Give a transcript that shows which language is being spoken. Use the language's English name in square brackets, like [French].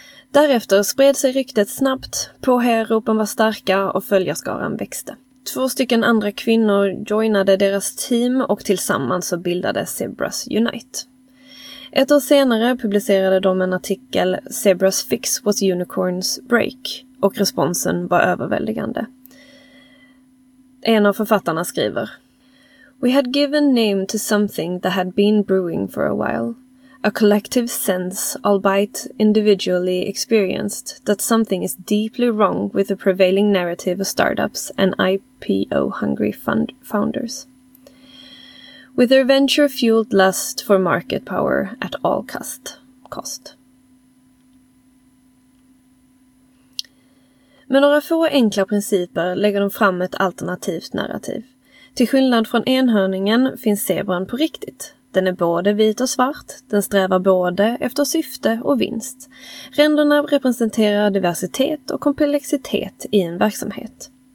[Swedish] Därefter spred sig ryktet snabbt, påhejaropen var starka och följarskaran växte. Två stycken andra kvinnor joinade deras team och tillsammans så bildade Zebras Unite. Ett år senare publicerade de en artikel Zebras Fix Was Unicorns Break och responsen var överväldigande. En av författarna skriver: [English] "We had given name to something that had been brewing for a while. A collective sense, albeit individually experienced, that something is deeply wrong with the prevailing narrative of startups and IPO-hungry founders. With their venture-fueled lust for market power at all cost. [Swedish] Med några få enkla principer lägger de fram ett alternativt narrativ. Till skillnad från enhörningen finns zebran på riktigt. Den är både vit och svart. Den strävar både efter syfte och vinst. Ränderna representerar diversitet och komplexitet i en verksamhet.